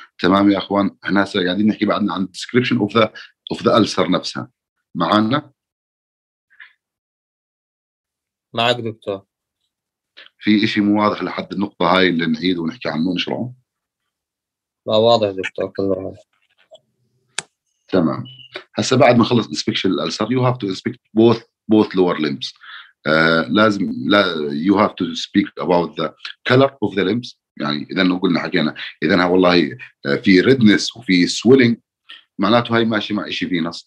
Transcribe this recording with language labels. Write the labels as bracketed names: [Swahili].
[Arabic] تمام يا أخوان، إحنا قاعدين نحكي بعدنا عن [English] description of the ulcer [Arabic] نفسها. معانا؟ معك دكتور. في إشي مو واضح لحد النقطة هاي اللي نعيد ونحكي عنه ونشرحه؟ لا واضح دكتور كله. تمام. هسا بعد ما خلص [English] inspection الألسر you have to inspect both lower limbs. [Arabic] لازم لا [English] you have to speak about the color of the limbs. [Arabic] يعني إذا نقولنا حكينا إذا ها والله في redness وفي swelling معناته هاي ماشي مع إشي فينس.